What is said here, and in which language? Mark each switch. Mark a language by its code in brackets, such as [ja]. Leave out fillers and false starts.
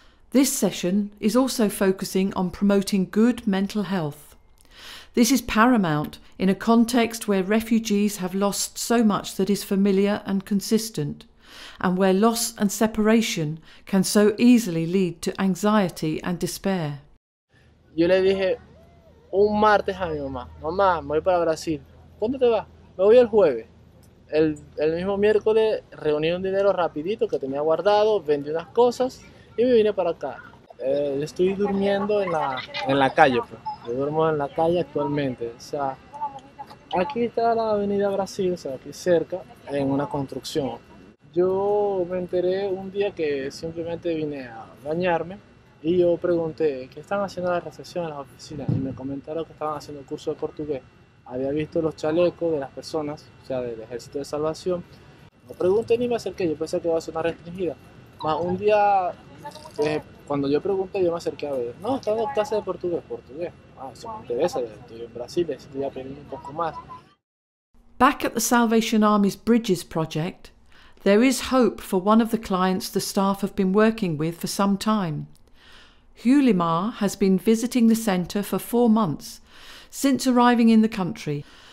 [en] This session is also focusing on promoting good mental health. This is paramount in a context where refugees have lost so much that is familiar and consistent, and where loss and separation can so easily lead to anxiety and despair. [es] Yo le dije un martes a mi mamá, mamá, me voy para Brasil. ¿Cuándo te vas? Me voy el jueves. El mismo miércoles reuní un dinero rapidito que tenía guardado, vendí unas cosas y me vine para acá. Estoy durmiendo en la calle, pues. Yo duermo en la calle actualmente. O sea, aquí está la Avenida Brasil, o sea, aquí cerca, en una construcción. Yo me enteré un día que simplemente vine a bañarme y yo pregunté, ¿qué están haciendo la recepción en las oficinas? Y me comentaron que estaban haciendo el curso de portugués. Había visto los chalecos de las personas, o sea, del Ejército de Salvación. No pregunté ni me acerqué, yo pensé que iba a ser una restringida. Más un día, cuando yo pregunté, yo me acerqué a ver. No, estaba en clase de portugués, portugués. Ah, eso me interesa, estoy en Brasil, estoy aprendiendo un poco más. [en] Back at the Salvation Army's Bridges project, there is hope for one of the clients the staff have been working with for some time. Hulimar has been visiting the centre for 4 months since arriving in the country.